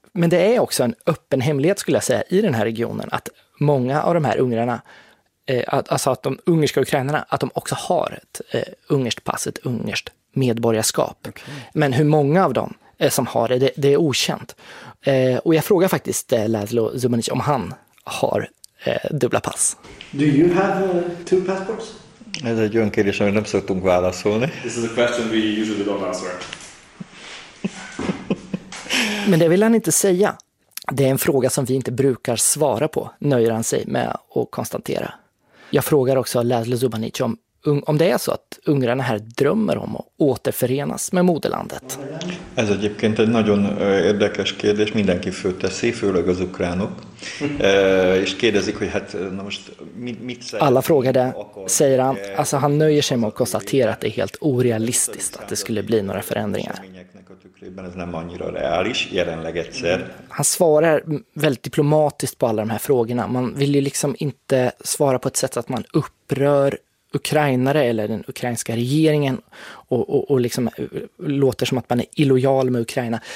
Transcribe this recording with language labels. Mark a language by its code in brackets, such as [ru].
[sv] Men det är också en öppen hemlighet skulle jag säga i den här regionen att många av de här ungrarna, alltså att de ungerska ukrainarna, att de också har ett ungerskt pass, ett ungerskt medborgarskap. Okay. Men hur många av dem som har det, det är okänt. Och jag frågar faktiskt László Zubanich om han har dubbla pass. [en] Do you have two passports? [hu] Ez egy olyan kérdés, amit nem szoktunk válaszolni. [en] This is a question we usually don't answer. [sv] Men det vill han inte säga. Det är en fråga som vi inte brukar svara på, nöjer han sig med att konstatera. Jag frågar också László Zubanich om det är så att ungrarna här drömmer om att återförenas med moderlandet. [hu] Ez egyébként egy nagyon érdekes kérdés, mindenki fölteszi, főleg az ukránok. És kérdezik, hogy hát na most mit [sv] säger. Alla frågade, säger han, alltså han nöjer sig med att konstatera att det är helt orealistiskt att det skulle bli några förändringar. Han svarar väldigt diplomatiskt på alla de här frågorna. Man vill ju liksom inte svara på ett sätt att man upprör ukrainare eller den ukrainska regeringen och liksom låter som att man är illojal med Ukraina.